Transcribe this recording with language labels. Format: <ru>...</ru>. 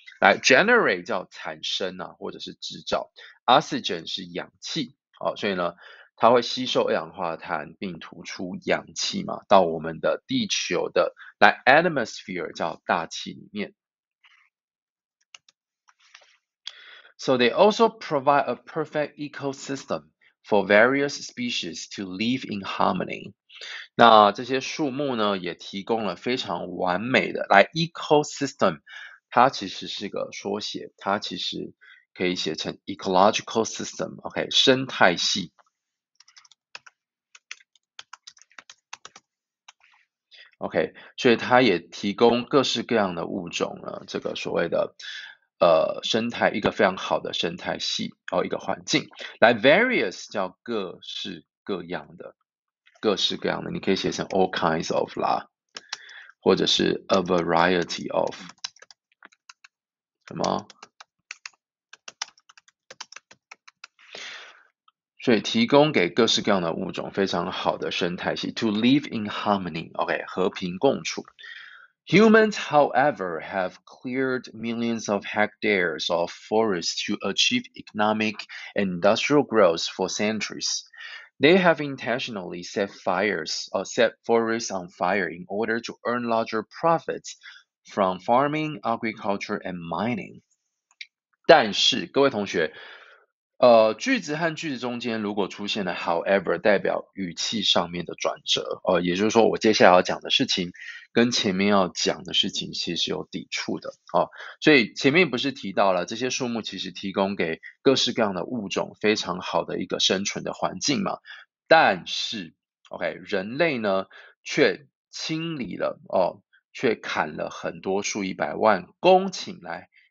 <zh>来，generate 叫产生啊，或者是制造，oxygen 是氧气哦，所以呢，它会吸收二氧化碳并吐出氧气嘛，到我们的地球的来 atmosphere 叫大气里面。</zh> <en>So they also provide a perfect ecosystem for various species to live in harmony.</en> <zh>那这些树木呢，也提供了非常完美的来 ecosystem，它其实是个缩写，它其实可以写成 ecological system，OK，生态系。 OK，所以它也提供各式各样的物种了，这个所谓的生态，一个非常好的生态系，哦，一个环境，来 various 叫各式各样的，各式各样的，你可以写成</zh> <en>all kinds of</en> <zh>啦，或者是</zh> <en>a variety of</en> <zh>什么，所以提供给各式各样的物种非常好的生态系，</zh> <en>to live in harmony，</en> <zh>OK，和平共处。</zh> <en>Humans, however, have cleared millions of hectares of forest to achieve economic and industrial growth for centuries. They have intentionally set fires or set forests on fire in order to earn larger profits from farming, agriculture, and mining.</en> <zh>但是，各位同学，句子和句子中间如果出现了 however，代表语气上面的转折，也就是说我接下来要讲的事情跟前面要讲的事情其实是有抵触的，所以前面不是提到了这些树木其实提供给各式各样的物种非常好的一个生存的环境嘛，但是，OK，人类呢却清理了，却砍了很多数以百万公顷来。</zh>